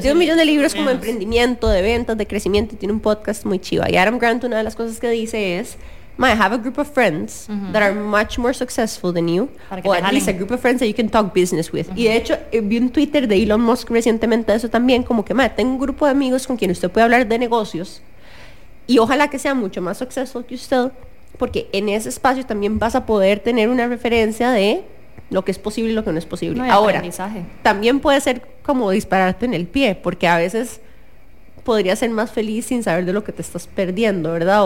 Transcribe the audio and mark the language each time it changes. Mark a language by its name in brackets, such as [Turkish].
[Spanish] Tiene un millón de libros como emprendimiento, de ventas, de crecimiento. Tiene un podcast muy chiva. Y Adam Grant, una de las cosas que dice es: [English] I have a group of friends that are much more successful than you. O at least a group of friends that you can talk business with. [Spanish] Y de hecho, vi un Twitter de Elon Musk recientemente eso también, como que, tengo un grupo de amigos con quien usted puede hablar de negocios. Y ojalá que sea mucho más successful que usted, porque en ese espacio también vas a poder tener una referencia de lo que es posible y lo que no es posible. No, ahora, también puede ser como dispararte en el pie, porque a veces podrías ser más feliz sin saber de lo que te estás perdiendo, ¿verdad?